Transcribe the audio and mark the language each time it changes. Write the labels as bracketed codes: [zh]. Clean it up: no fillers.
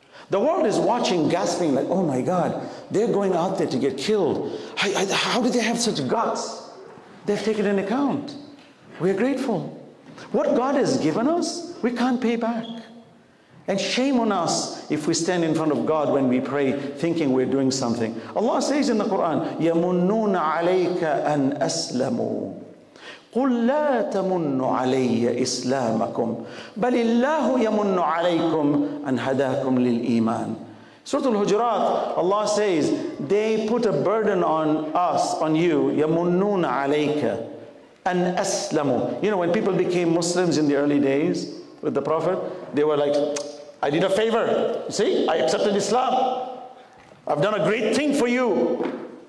[en] The world is watching, gasping, like, oh my God, they're going out there to get killed. How do they have such guts? They've taken an account. We're grateful. What God has given us, we can't pay back. And shame on us if we stand in front of God when we pray, thinking we're doing something. Allah says in the Quran, [ar] يَمُنُّونَ عَلَيْكَ أَنْ أَسْلَمُوا قُلْ لَا تَمُنُّ عَلَيَّ إِسْلَامَكُمْ بَلِ اللَّهُ يَمُنُّ عَلَيْكُمْ أَنْ هَدَاكُمْ لِلْإِيمَانِ. [en] Surah Al-Hujurat, Allah says, they put a burden on us, on you, [ar] يَمُنُّونَ عَلَيْكَ أَنْ أَسْلَمُوا. [en] You know, when people became Muslims in the early days with the Prophet, they were like, I did a favor. See, I accepted Islam. I've done a great thing for you.